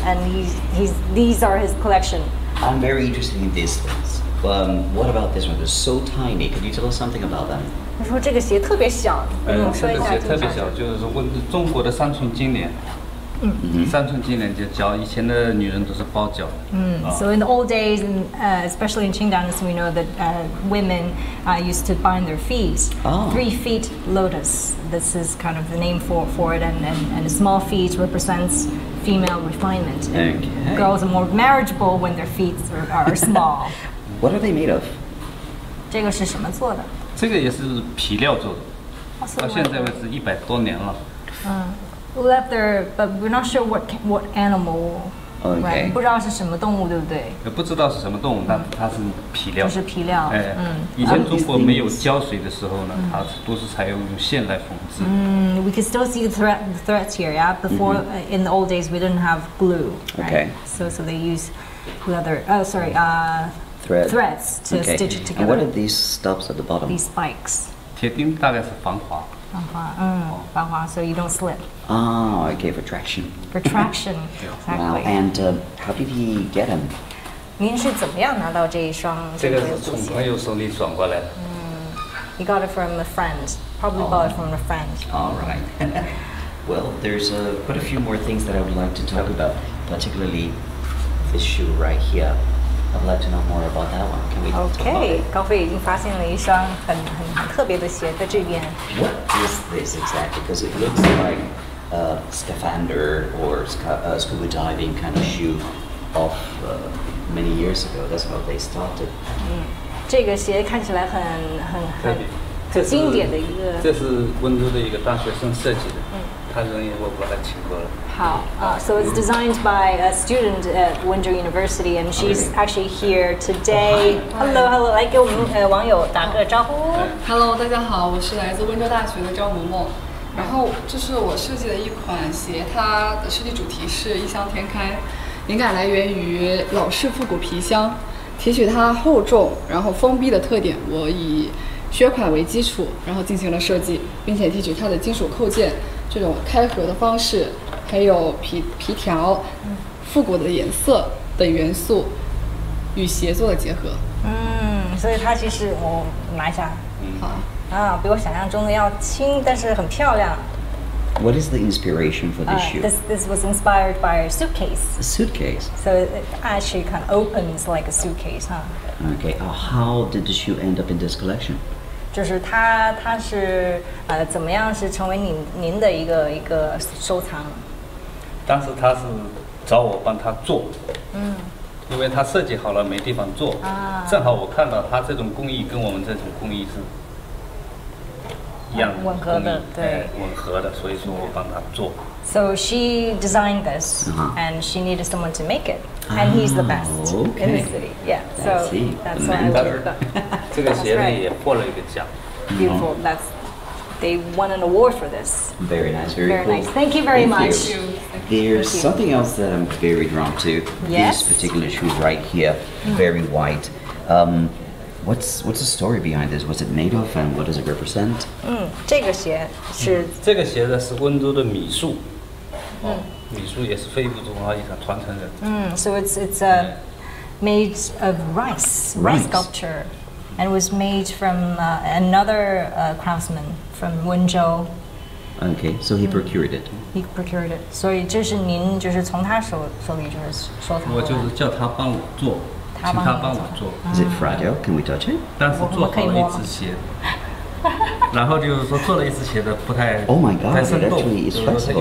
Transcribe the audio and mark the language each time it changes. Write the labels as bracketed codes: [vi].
[en] And these are his collection. I'm very interested in these things. What about this one? They're so tiny. Could you tell us something about them? [zh] 你说这个鞋特别小，说一下。这个鞋特别小，就是问中国的三寸金莲。三寸金莲就脚，以前的女人都是包脚。 [en] So in the old days, and especially in Qing Dynasty, we know that women used to bind their feet. Three feet lotus. This is kind of the name for it, and the small feet represents female refinement. Okay. Girls are more marriageable when their feet are small. What are they made of? [zh] 这个是什么做的？这个也是皮料做的，到现在为止一百多年了。 [en] Leather, but we're not sure what animal. Okay. [zh] 不知道是什么动物，对不对？不知道是什么动物，但它是皮料。就是皮料。以前中国没有胶水的时候呢，它都是采用线来缝制。 [en] We can still see the threads here, yeah. Before, in the old days, we didn't have glue. Right? Okay. So they use leather. Threads to okay. stitch it together. And what are these stubs at the bottom? These spikes. [zh] 铁钉大概是防滑。防滑， [en] so you don't slip. Oh, okay, for traction. For traction, exactly. Wow, and how did he get them? [zh] 您是怎么样拿到这一双？这个是从朋友手里转过来的。 [en] He got it from a friend. Probably bought it from a friend. All right. Well, there's quite a few more things that I would like to talk about, particularly this shoe right here. I'd like to know more about that one. Can we talk about it? [zh] Okay, Gao Fei 已经发现了一双很特别的鞋在这边。 [en] What is this exactly? Because it looks like a scaphander or scuba diving kind of shoe of many years ago. That's how they started. [zh] 这个鞋看起来很经典的一个。这是温州的一个大学生设计的。他人也我把他请过了。 [en] So it's designed by a student at Wenzhou University, and she's actually here today. [zh] Hello, 来给我们网友打个招呼。 Hello, 大家好，我是来自温州大学的赵萌萌。然后这是我设计的一款鞋，它的设计主题是异香天开，灵感来源于老式复古皮箱，提取它厚重然后封闭的特点，我以靴款为基础，然后进行了设计，并且提取它的金属扣件这种开合的方式。还有皮条，复古的颜色等元素与鞋做的结合。所以它其实我拿一下。好。啊，比我想象中的要轻，但是很漂亮。 [en] What is the inspiration for this shoe? This was inspired by a suitcase. A suitcase. So it actually kind of opens like a suitcase, huh? Okay. How did the shoe end up in this collection? [zh] 就是它是怎么样是成为您的一个收藏？当时他是找我帮他做，因为他设计好了没地方做，正好我看到他这种工艺跟我们这种工艺是一样的吻合的，对，吻合的，所以说我帮他做。 [en] So she designed this, and she needed someone to make it, and he's the best in the city. Yeah, so that's why I took it. [zh] 这个鞋子也获了一个奖。 [en] Beautiful, that's they won an award for this. Very nice, very cool. Very nice. Thank you very much. Thank you. There's something else that I'm very drawn to. Yes. This particular shoe right here, very white. What's the story behind this? What's it made of and what does it represent? [zh] 这个鞋是这个鞋子是温州的米素。米素也是非物质文化遗产传承人。 [en] So it's a made of rice sculpture, and was made from another craftsman from Wenzhou. Okay, so he procured it. He procured it. [zh] 所以这是您就是从他手手里就是收藏。我就是叫他帮我做，请他帮我做。 [en] Is it fragile? Can we touch it? [zh] 但是做好了一只鞋，然后就是说做了一只鞋的不太。 [en] Oh my God! It actually is flexible.